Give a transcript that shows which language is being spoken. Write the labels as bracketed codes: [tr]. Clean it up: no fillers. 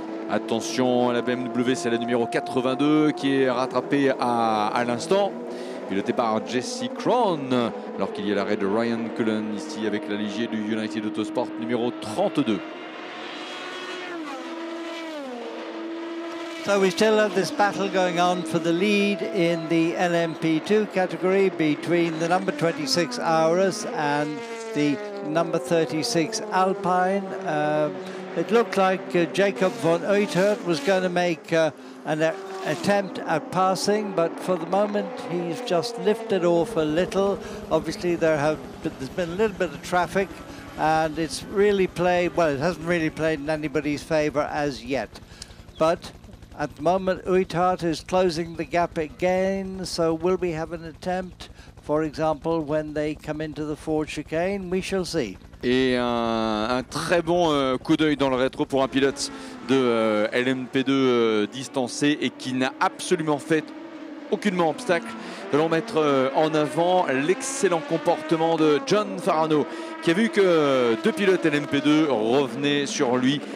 [fr] Attention à la BMW, c'est la numéro 82 qui est rattrapée à l'instant. Piloté par Jesse Crown, alors qu'il y a l'arrêt de Ryan Cullen ici avec la Ligier du United Autosport numéro 32. [en] So we still have this battle going on for the lead in the LMP2 category between the number 26 Auris and the number 36 Alpine. It looked like Jacob Van Uytert was going to make an attempt at passing, but for the moment he's just lifted off a little. Obviously there's been a little bit of traffic, and it's really played, well, it hasn't really played in anybody's favor as yet. But at the moment Uytert is closing the gap again, so will we have an attempt, for example, when they come into the Ford chicane? We shall see. [fr] Et un très bon coup d'œil dans le rétro pour un pilote de LMP2 distancé et qui n'a absolument fait aucunement obstacle. Nous allons mettre en avant l'excellent comportement de John Farano, qui a vu que deux pilotes LMP2 revenaient sur lui.